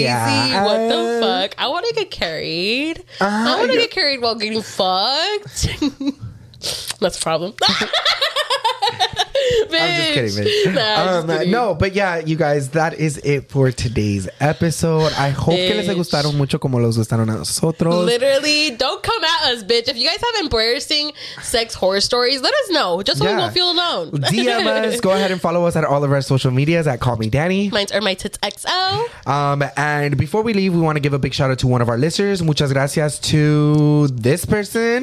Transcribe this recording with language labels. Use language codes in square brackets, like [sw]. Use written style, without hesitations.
[en] Yeah, what the fuck? I want to get carried. I want to get carried while getting fucked. That's a problem. I'm just kidding. No, but yeah, you guys, that is it for today's episode. I hope [es] que les gustaron mucho como los gustaron a nosotros. [en] Literally, don't come at us, bitch. If you guys have embarrassing sex horror stories, let us know. Just so we won't feel alone. DM us. Go ahead and follow us at all of our social medias at Call Me Danny. Mine's Are My Tits XO. And before we leave, we want to give a big shout out to one of our listeners. [es] Muchas gracias [en] to this person.